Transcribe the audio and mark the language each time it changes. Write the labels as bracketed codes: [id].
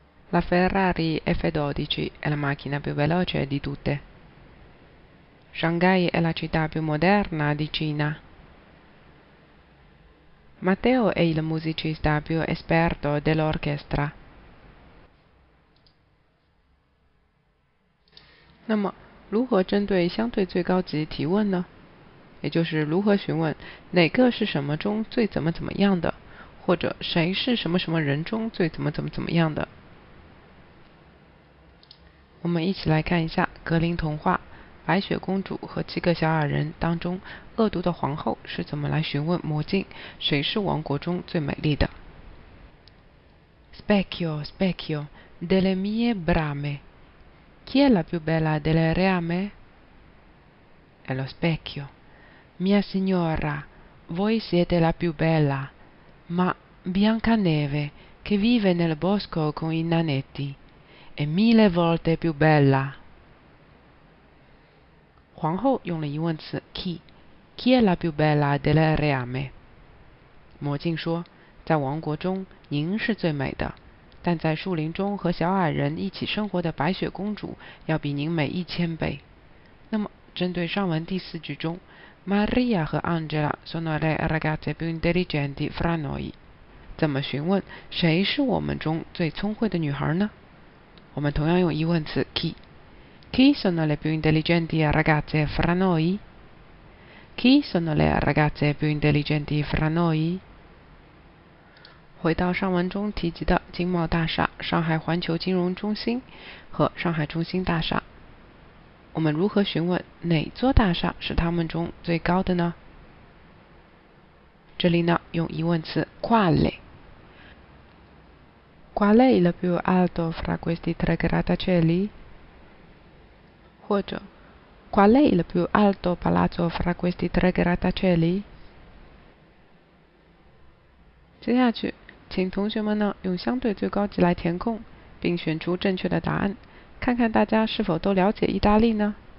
[it] La Ferrari F12 è la macchina più veloce di tutte. Shanghai è la città più moderna di Cina. Matteo è il musicista più esperto dell'orchestra. [zh] 那么，如何针对相对最高级提问呢？也就是如何询问哪个是什么中最怎么怎么样的，或者谁是什么什么人中最怎么怎么怎么样的。我们一起来看一下格林童话《白雪公主和七个小矮人》当中恶毒的皇后是怎么来询问魔镜谁是王国中最美丽的。 [it] Specchio, specchio, delle mie brame, chi è la più bella delle reame? È lo specchio. Mia signora, voi siete la più bella, ma Biancaneve, che vive nel bosco con i nanetti, è mille volte più bella. [zh] 皇后用了疑问词 chi, [it] chi è la più bella del reame? [zh] 魔镜说，在王国中您是最美的，但在树林中和小矮人一起生活的白雪公主要比您美一千倍。那么，针对上文第四句中，Maria 和 Angela [it] sono le ragazze più intelligenti fra noi. [zh] 怎么询问谁是我们中最聪慧的女孩呢？我们同样用疑问词 chi. [it] Chi sono le più intelligenti ragazze fra noi? Chi sono le ragazze più intelligenti fra noi? [zh] 回到上文中提及的经贸大厦、上海环球金融中心和上海中心大厦。我们如何询问哪座大厦是他们中最高的呢？这里呢，用疑问词 quale。 [it] Qual è il più alto fra questi tre grattacieli？或者 ，Qual è il più alto palazzo fra questi tre grattacieli？ [zh] 接下去，请同学们呢用相对最高级来填空，并选出正确的答案。看看大家是否都了解意大利呢？